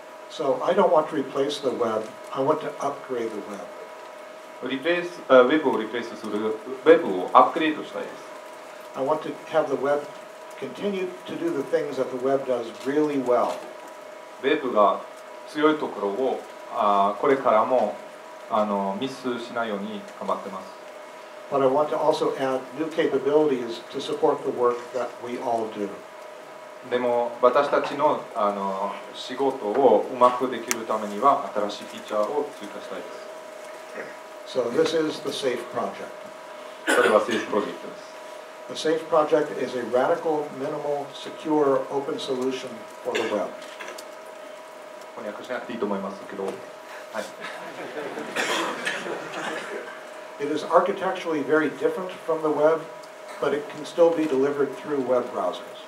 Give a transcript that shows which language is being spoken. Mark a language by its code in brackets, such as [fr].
[en] So I don't want to replace the web, I want to upgrade the web. [ja] リプレイス、ウェブをリプレイスする、ウェブをアップグレードしたいです。 [en] I want to have the web continue to do the things that the web does really well. [ja] ウェブが強いところをこれからもミスしないように頑張ってます。 [en] But I want to also add new capabilities to support the work that we all do. [ja] でも私たちの仕事をうまくできるためには新しいフィーチャーを追加したいです。 [en] So this is the Seif Project. [ja] これはSeif Projectです。 [en] The Seif Project is a radical, minimal, secure, open solution for the web. [ja] 翻訳しなくていいと思いますけど、はい。 [en] It is architecturally very different from the web, but it can still be delivered through web browsers.